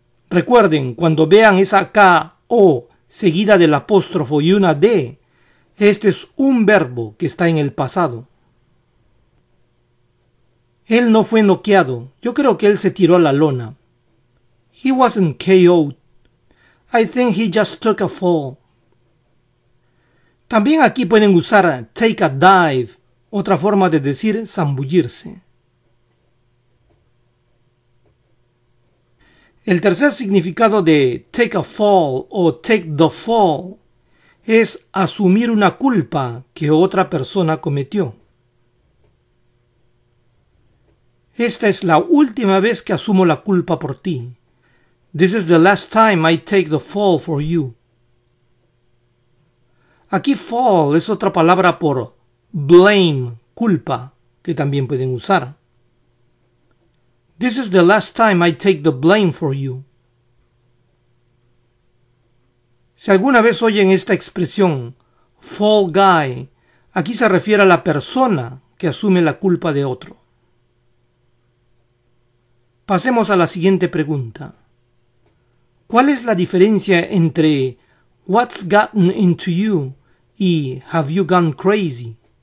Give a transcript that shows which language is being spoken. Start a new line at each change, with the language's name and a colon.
Spanish: Recuerden, cuando vean esa KO seguida del apóstrofo y una D, este es un verbo que está en el pasado. Él no fue noqueado. Yo creo que él se tiró a la lona.
English: He wasn't KO'd. I think he just took a fall.
Spanish: También aquí pueden usar take a dive, otra forma de decir zambullirse. El tercer significado de take a fall o take the fall es asumir una culpa que otra persona cometió. Esta es la última vez que asumo la culpa por ti.
English: This is the last time I take the fall for you.
Spanish: Aquí fall es otra palabra por blame, culpa, que también pueden usar.
English: This is the last time I take the blame for you.
Spanish: Si alguna vez oyen esta expresión, fall guy, aquí se refiere a la persona que asume la culpa de otro. Pasemos a la siguiente pregunta. ¿Cuál es la diferencia entre
English: what's gotten into you
Spanish: y
English: have you gone crazy?